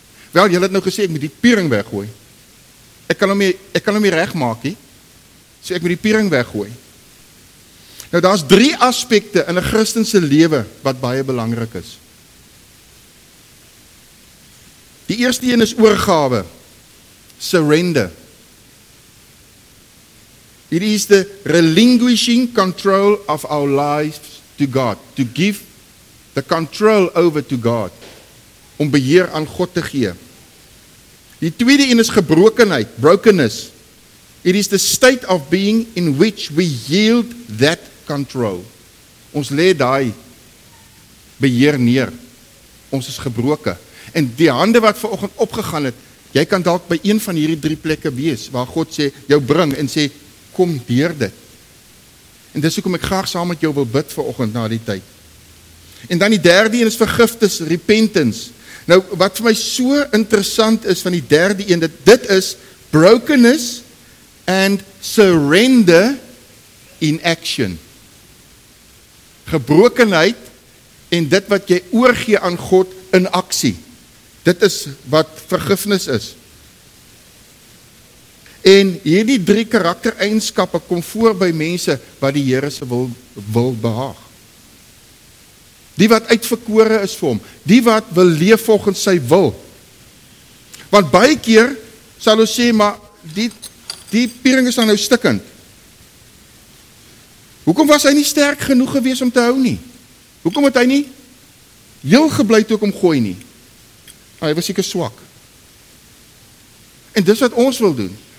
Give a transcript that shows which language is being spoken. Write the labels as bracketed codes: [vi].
[af] Wel, julle het nou gesê, ek moet die piering weggooi. Ek kan hom nie recht maak, he. So ek moet die piering weggooi. Nou, daar is drie aspekte in 'n Christense lewe wat baie belangrik is. Die eerste een is oorgawe, surrender. [en] It is the relinquishing control of our lives to God, to give the control over to God, [af] om beheer aan God te gee. Die tweede een is gebrokenheid, brokenness. [en] It is the state of being in which we yield that control. [af] Ons lê daai beheer neer. Ons is gebroken. En die hande wat vanoggend opgegaan het, jy kan dalk by een van hierdie drie plekke wees, waar God sê, jou bring en sê, kom deur dit. En dis hoekom ek graag saam met jou wil bid vanoggend na die tyd. En dan die derde een is vergifnis, repentance. Nou, wat vir my so interessant is van die derde een, dat dit is [en] brokenness and surrender in action. [af] Gebrokenheid en dit wat jy oorgee aan God in aksie. Dit is wat vergifnis is. En hierdie drie karaktereigenskappe kom voor by mense wat die Here se wil behaag. Die wat uitverkore is vir hom. Die wat wil leef volgens sy wil. Want baie keer sal ons sê, maar die piering is dan nou stikkend. Hoekom was hy nie sterk genoeg gewees om te hou nie? Hoekom het hy nie heel geblei toe ek om gooi nie? Hy was seker swak. En dis wat ons wil doen.